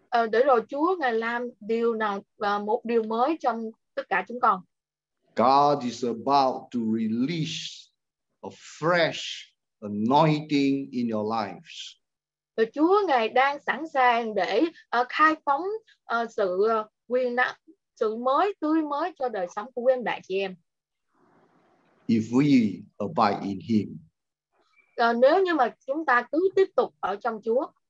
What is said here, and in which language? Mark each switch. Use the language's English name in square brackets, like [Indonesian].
[Vietnamese] Để rồi Chúa ngài làm điều nào và một điều mới trong tất cả chúng con. [English] God is about to release a fresh anointing in your lives. [Vietnamese] Và Chúa ngài đang sẵn sàng để khai phóng sự quyền năng, sự mới tươi mới cho đời sống của quý anh đại chị em. [English] If we abide in Him. [Vietnamese] Nếu như mà chúng ta cứ tiếp tục ở trong Chúa.